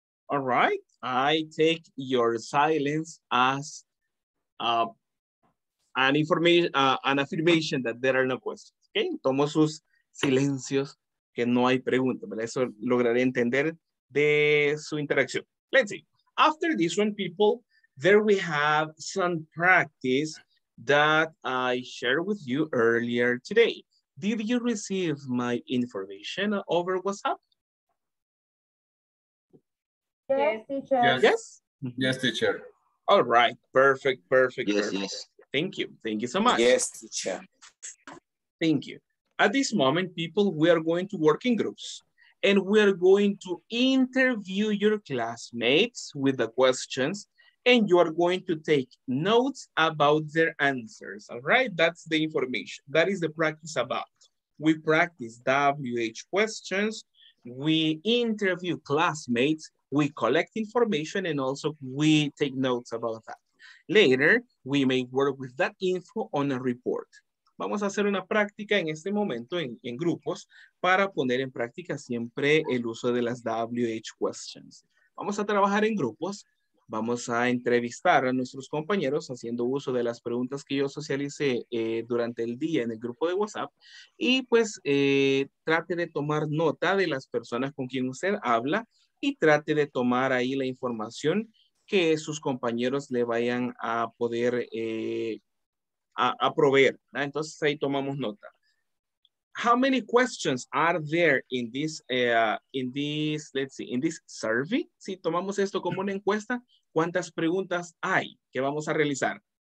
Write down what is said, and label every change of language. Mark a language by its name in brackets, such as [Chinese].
[English] All right, I take your silence as an affirmation that there are no questions. [Spanish] Okay, tomo sus silencios que no hay preguntas, pero eso lograré entender de su interacción. [English] Let's see. After this one, people, there we have some practice that I shared with you earlier today. Did you receive my information over WhatsApp? Yes, teacher. All right. Perfect. Yes. Thank you so much. Yes, teacher. Thank you. At this moment, people, we are going to work in groups and we are going to interview your classmates with the questions and you are going to take notes about their answers, all right? That's the information. That is the practice about. We practice WH questions, we interview classmates, we collect information, and also we take notes about that. Later, we may work with that info on a report. [Spanish] Vamos a hacer una práctica en este momento en grupos para poner en práctica siempre el uso de las WH questions. Vamos a trabajar en grupos. Vamos a entrevistar a nuestros compañeros haciendo uso de las preguntas que yo socialicé durante el día en el grupo de WhatsApp. Y pues trate de tomar nota de las personas con quien usted habla y trate de tomar ahí la información que sus compañeros le vayan a poder a proveer. ¿No? Entonces ahí tomamos nota. [English] How many questions are there in this survey? [Spanish] Si tomamos esto como una encuesta, ¿cuántas preguntas hay que vamos a realizar?